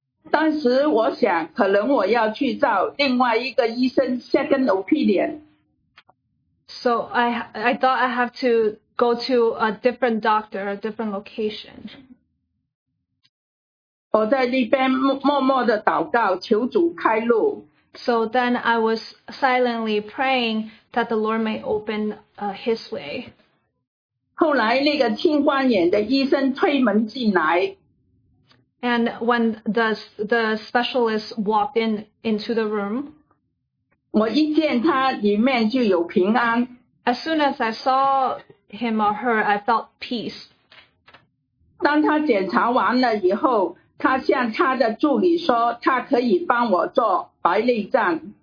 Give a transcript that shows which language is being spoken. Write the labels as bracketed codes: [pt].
[zh] 当时我想可能我要去找另外一个医生 [en] second opinion. So I thought I have to go to a different doctor, a different location. [zh] 我在那边默默地祷告求主开路。 [en] So then I was silently praying that the Lord may open his way. [zh] 后来那个青光眼的医生推门进来。 [en] And when the specialist walked into the room, [zh] 我一见他里面就有平安。 [en] As soon as I saw him or her, I felt peace. [zh] 当他检查完了以后，他向他的助理说他可以帮我做白内障。